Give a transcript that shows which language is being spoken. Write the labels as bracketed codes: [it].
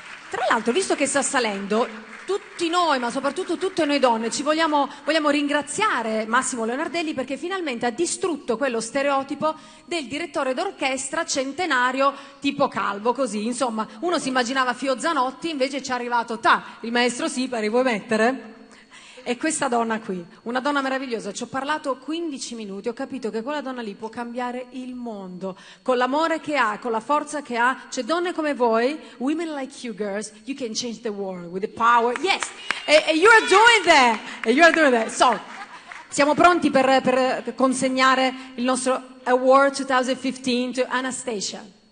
[it] Tra l'altro, visto che sta salendo, tutti noi, ma soprattutto tutte noi donne, ci vogliamo ringraziare Massimo Leonardelli, perché finalmente ha distrutto quello stereotipo del direttore d'orchestra centenario tipo calvo, così, insomma, uno si immaginava Fio Zanotti, invece ci è arrivato il maestro Sipari, vuoi mettere? E questa donna qui, una donna meravigliosa, ci ho parlato 15 minuti, ho capito che quella donna lì può cambiare il mondo, con l'amore che ha, con la forza che ha. C'è donne come voi, [en] women like you girls, you can change the world with the power, yes, and you are doing that, and you are doing that. [it] So, siamo pronti per consegnare il nostro award 2015 to Anastacia.